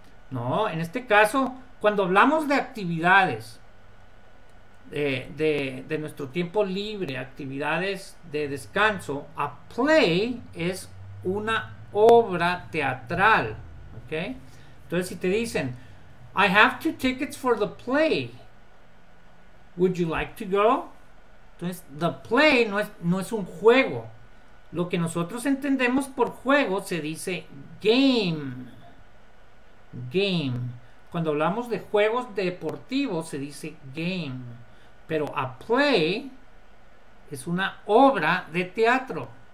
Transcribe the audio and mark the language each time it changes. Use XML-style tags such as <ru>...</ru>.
<es>No, en este caso, cuando hablamos de actividades de nuestro tiempo libre, actividades de descanso, a play es una obra teatral, ¿ok? Entonces, si te dicen,</es> <en>I have two tickets for the play, would you like to go?</en> <es>Entonces, the play no es un juego. Lo que nosotros entendemos por juego se dice game. Game. Cuando hablamos de juegos deportivos se dice game, pero a play es una obra de teatro.</es>